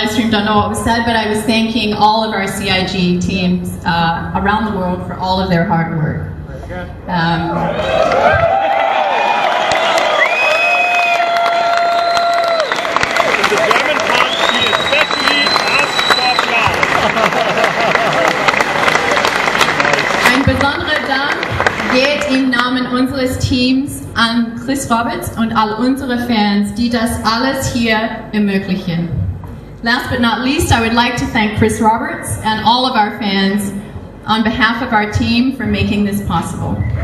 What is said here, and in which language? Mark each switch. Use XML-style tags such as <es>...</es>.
<en>Know what was said, but I was thanking all of our CIG teams around the world for all of their hard work.</en> <de>Ein besonderer Dank geht im Namen unseres Teams an Chris Roberts und all unsere Fans, die das alles hier ermöglichen.</de> <en>Last but not least, I would like to thank Chris Roberts and all of our fans on behalf of our team for making this possible.</en>